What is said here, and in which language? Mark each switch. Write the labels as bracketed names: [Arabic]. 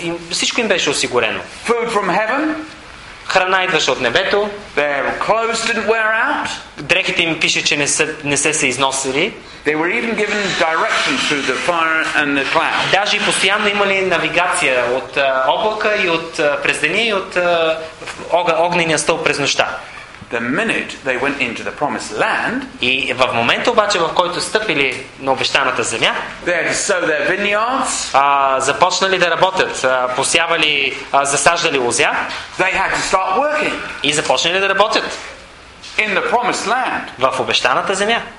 [Bulgarian] Всичко им беше осигурено. [English] Food from heaven. [Bulgarian] Храна идваше от небето. [English] Their clothes didn't wear out. [Bulgarian] Дрехите им пише, че не се износили. [English] They were even given directions through the fire and the cloud. [Bulgarian] Даже постоянно имали навигация от облака и от през деня и от огнения стълб през нощта. [English] The minute they went into the promised land, [Bulgarian] и в момента обаче, в който стъпили на обещаната земя, [English] they had to sow their vineyards, [Bulgarian] започнали да работят, посявали, засаждали лозя, [English] they had to start working, [Bulgarian] и започнали да работят [English] in the promised land, [Bulgarian] в обещаната земя.